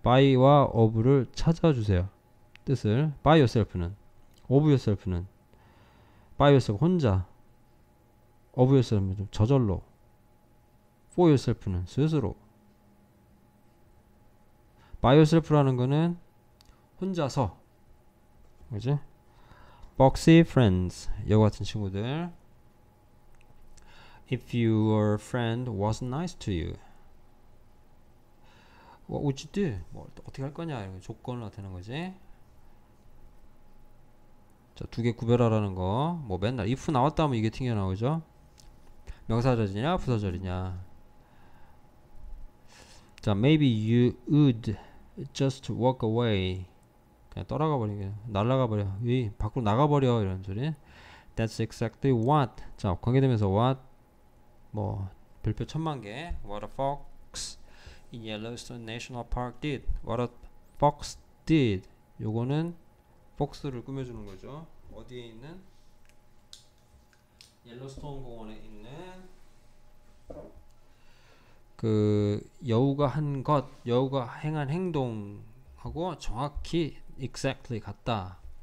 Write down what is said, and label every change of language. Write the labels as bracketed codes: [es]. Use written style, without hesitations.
[ko] By와 of를 찾아주세요. 뜻을 by yourself는 Of yourself는 by yourself 혼자 of yourself는 저절로 for yourself는 스스로 by yourself라는 거는 혼자서 그지? [en] Foxy friends [ko] 여우 같은 친구들 [en] If your friend wasn't nice to you What would you do? [ko] 뭐 어떻게 할 거냐 이런 조건을 나타내는 거지 자, 두개 구별하라는 거. 뭐 맨날 if 나왔다면 이게 튕겨 나오죠? 명사절이냐, 부사절이냐. [en] 자, maybe you would just walk away. [ko] 그냥 떠나가 버리게. 날아가 버려. 이 밖으로 나가 버려. 이런 소리. [en] That's exactly what. [ko] 자, 관계되면서 what 뭐 별표 천만 개. [en] What a fox in Yellowstone National Park did. What a fox did. [ko] 요거는 폭스를 꾸며 주는 거죠. 어디에 있는? 옐로스톤 공원에 있는 그 여우가 한 것, 여우가 행한 행동하고 정확히 exactly 같다.